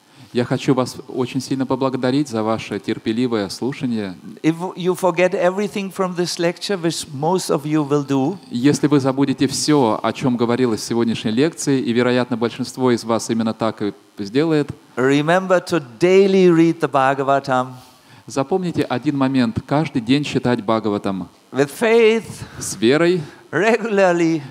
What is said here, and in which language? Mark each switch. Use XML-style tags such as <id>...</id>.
<ru>Я хочу вас очень сильно поблагодарить за ваше терпеливое слушание.</ru> <en>If you forget everything from this lecture, which most of you will do.</en> <ru>Если вы забудете все, о чем говорилось в сегодняшней лекции, и, вероятно, большинство из вас именно так и сделает.</ru> <en>Remember to daily read the Bhagavatam.</en> <ru>Запомните один момент: каждый день читать Бхагаватам.</ru> <en>with faith,</en> <ru>с верой,</ru> <en>regularly,</en>